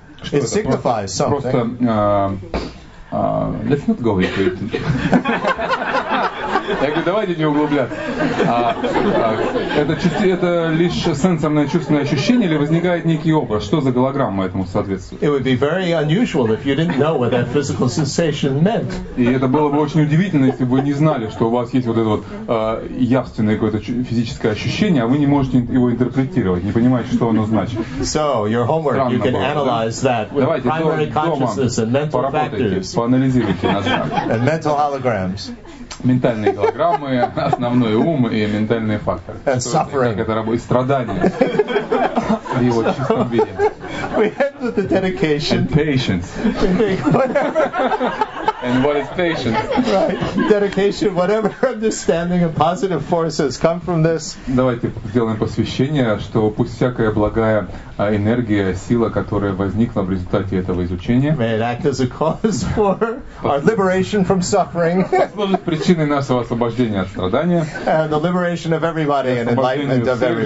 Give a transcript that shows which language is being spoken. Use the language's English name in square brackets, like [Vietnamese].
[English] It signifies [Russian] просто, [English] something. [Russian] Просто, [English] let's not go into it. [Russian] Я говорю, давайте не углубляться. Это лишь сенсорное чувственное ощущение или возникает некий образ? Что за голограмма этому соответствует? [English] It would be very unusual if you didn't know what that physical sensation meant. [Russian] И это было бы очень удивительно, если бы вы не знали, что у вас есть вот это вот явственное какое-то физическое ощущение, а вы не можете его интерпретировать, не понимаете, что оно значит. [English] So, your homework, you can analyze that with primary consciousness and mental factors. [Russian] Поанализируйте наш шаг. [English] And mental holograms. [Russian] Ментальные голограммы, основной ум и ментальные факторы. [English] And suffering. [Russian] Как это работает? Страдания. В его чистом виде. [English] We end with the dedication. And patience. And what is patience? Right. Dedication, whatever understanding of positive forces come from this. [Russian] Давайте сделаем посвящение, что пусть всякая благая энергия, сила, которая возникла в результате этого изучения, [English] may it act as a cause for our liberation from suffering. [Russian] Послужит причиной нашего освобождения от страдания. [English] And the liberation of everybody and enlightenment of everybody.